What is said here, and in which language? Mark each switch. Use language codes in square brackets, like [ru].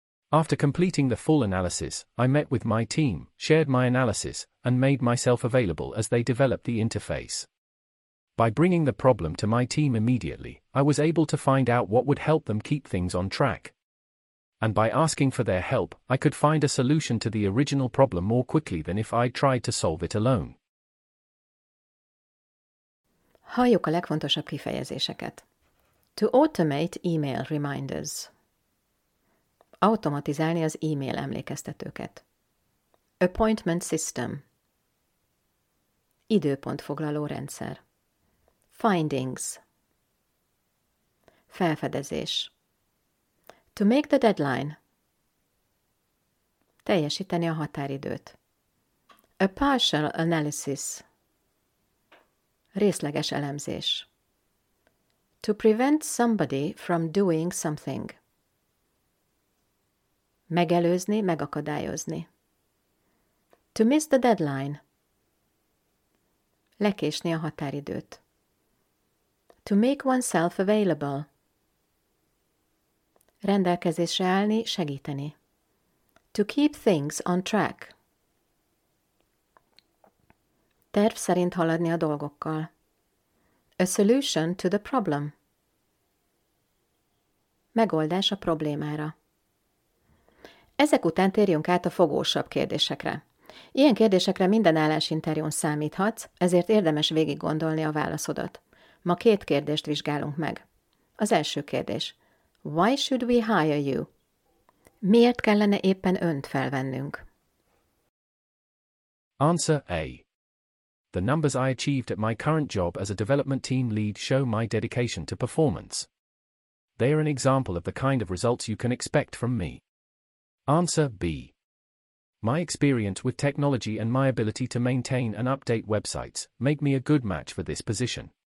[en] After completing the full analysis, I met with my team, shared my analysis, and made myself available as they developed the interface. By bringing the problem to my team immediately, I was able to find out what would help them keep things on track. And by asking for their help, I could find a solution to the original problem more quickly than if I tried to solve it alone. [hu] Halljuk a legfontosabb kifejezéseket. [en] To automate email reminders. [hu] Automatizálni az e-mail emlékeztetőket. [en] Appointment system. [hu] Időpontfoglaló rendszer. [en] Findings. [hu] Felfedezés. [en] To make the deadline. [hu] Teljesíteni a határidőt. [en] A partial analysis. [hu] Részleges elemzés. [en] To prevent somebody from doing something. [hu] Megelőzni, megakadályozni. [en] To miss the deadline. [hu] Lekésni a határidőt. [en] To make oneself available. [hu] Rendelkezésre állni, segíteni. [en] To keep things on track. [hu] Terv szerint haladni a dolgokkal. [en] A solution to the problem. [hu] Megoldás a problémára. Ezek után térjünk át a fogósabb kérdésekre. Ilyen kérdésekre minden állásinterjún számíthatsz, ezért érdemes végig gondolni a válaszodat. Ma két kérdést vizsgálunk meg. Az első kérdés. [en] Why should we hire you? [hu] Miért kellene éppen önt felvennünk? [en] Answer A. The numbers I achieved at my current job as a development team lead show my dedication to performance. They are an example of the kind of results you can expect from me. [hu] Answer B. [en] My experience with technology and my ability to maintain and update websites make me a good match for this position.